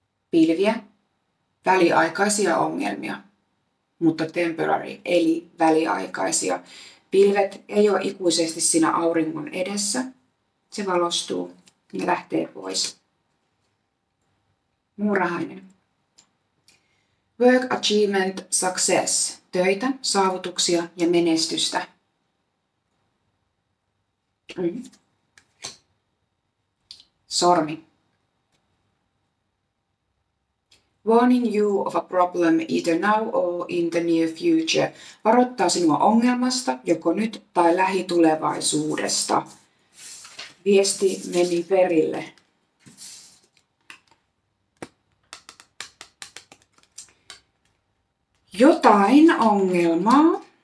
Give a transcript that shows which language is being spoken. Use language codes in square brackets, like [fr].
[fi] Pilviä, väliaikaisia ongelmia, mutta [en] temporary, [fi] eli väliaikaisia. Pilvet ei ole ikuisesti siinä auringon edessä. Se valostuu ja lähtee pois. Muurahainen. [en] Work achievement, success. [fi] Töitä, saavutuksia ja menestystä. Sormi. [en] Warning you of a problem either now or in the near future. [fi] Varoittaa sinua ongelmasta, joko nyt tai lähitulevaisuudesta. Viesti meni perille. Jotain ongelmaa.